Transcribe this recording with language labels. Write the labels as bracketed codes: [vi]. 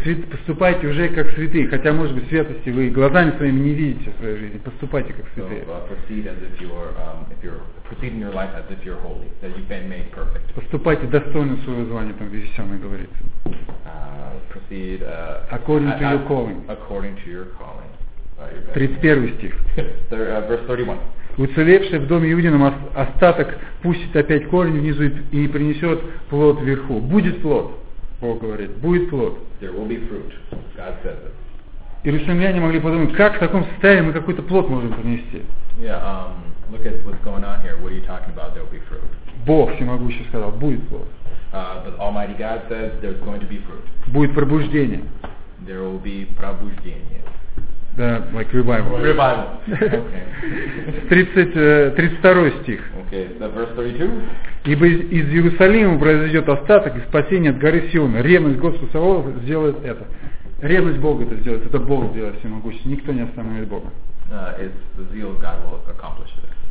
[ru] Поступайте уже как святые, хотя, может быть, святости вы глазами своими не видите в своей жизни. Поступайте как святые. [en] So, proceed as if you are, proceed in your life as if you're holy, that you've been made perfect. [ru] Поступайте достойно своего звания, там Вифисяна говорит. [en] Proceed according to your calling. According to your calling. [ru] 31 стих. [en] Verse 31. [ru] Уцелевший в доме Иудином остаток пустит опять корень внизу и принесет плод вверху. Будет плод, Бог говорит, будет плод. [en] There will be fruit, God says it. [ru] Иерусалимляне могли подумать, как в таком состоянии мы какой-то плод можем принести? [en] Yeah, look at what's going on here. What are you talking about? There will be fruit. [ru] Бог всемогущий сказал, будет плод. [en] But Almighty God says there's going to be fruit. [ru] Будет пробуждение. [en] There will be [ru] пробуждение. Да, [en] like revival. Revival. Okay. [ru] 32 стих. [en] Okay, so verse 32. [ru] Ибо из Иерусалима произойдет остаток и спасение от горы Сиона. Ревность Господа Саваофа сделает это. Ревность Бога это сделает. Это Бог сделает всемогущий. Никто не остановит Бога. [en] It's the zeal of God will accomplish this.